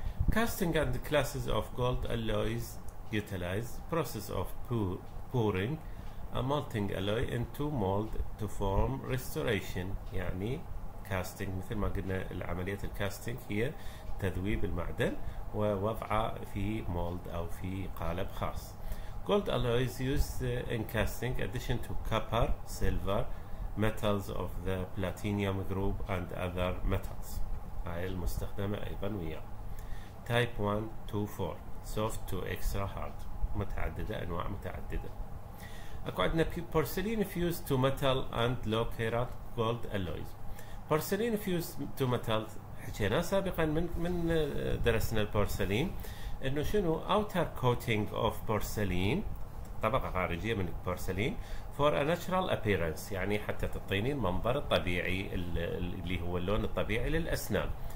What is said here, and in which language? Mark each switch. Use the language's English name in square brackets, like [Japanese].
[English] Casting and classes of gold alloys utilize process of pouring a molting alloy into mold to form restoration. [Arabic] يعني casting مثل ما قلنا العملية الكاستينج هي تذويب المعدن ووضعه في mold أو في قالب خاص. [English] Gold alloys used in casting addition to copper, silver, metals of the platinum group and other metals. [Arabic] هاي المستخدمة أيضا وياه. [English] Type 1 to 4 soft to extra hard، [Arabic] متعددة، أنواع متعددة. أكو عندنا [English] porcelain fused to metal and low carat gold alloys. Porcelain fused to metal [Arabic] حكينا سابقا من درسنا البورسلين، أنه شنو؟ [English] outer coating of porcelain، [Arabic] طبقة خارجية من البورسلين، [English] for a natural appearance، [Arabic] يعني حتى تعطيني المنظر الطبيعي اللي هو اللون الطبيعي للأسنان.